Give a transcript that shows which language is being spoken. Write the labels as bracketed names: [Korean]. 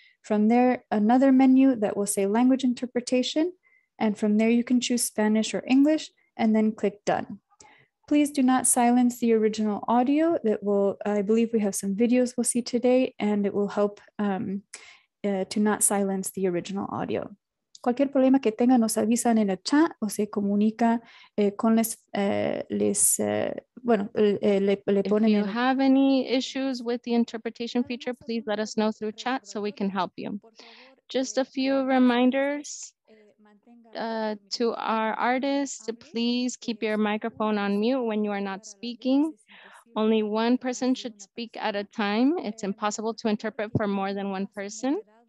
[English] From there, another menu that will say language interpretation. And from there, you can choose Spanish or English and then click done. Please do not silence the original audio. That will, I believe we have some videos we'll see today, and it will help to not silence the original audio. [Spanish] Cualquier problema que tenga nos avisan en el chat o se comunica con le ponen. [English] If you have any issues with the interpretation feature, please let us know through chat so we can help you. Just a few reminders. To our artists, please keep your microphone on mute when you are not speaking. Only one person should speak at a time. It's impossible to interpret for more than one person.